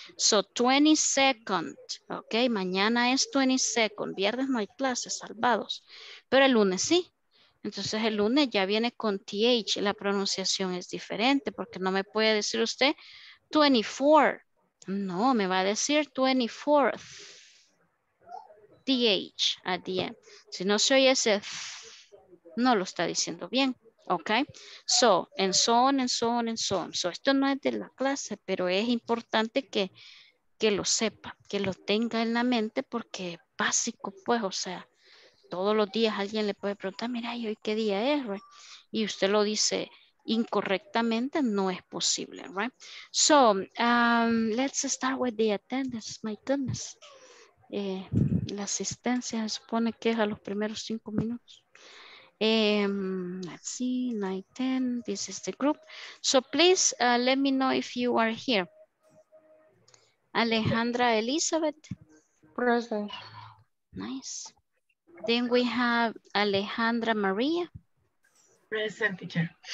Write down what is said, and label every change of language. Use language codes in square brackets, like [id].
[es] So 22nd, okay, mañana es 22nd, viernes no hay clases, salvados, pero el lunes sí, entonces el lunes ya viene con TH, la pronunciación es diferente, porque no me puede decir usted 24, No, me va a decir 24th. [en] TH at the end. [es] Si no se oye ese, no lo está diciendo bien. [en] Ok. So, and so on, and so on, and so on. [es] So, esto no es de la clase, pero es importante que lo sepa, que lo tenga en la mente, porque es básico, pues, o sea, todos los días alguien le puede preguntar, mira, ¿y hoy qué día es? Right? Y usted lo dice incorrectamente, no es posible, right? [en] So, let's start with the attendance, my goodness. [es] La asistencia se supone que es a los primeros 5 minutos. [en] Let's see, 9:10, this is the group. So please let me know if you are here. Alejandra Elizabeth. Present. Nice. Then we have Alejandra Maria. Present, teacher.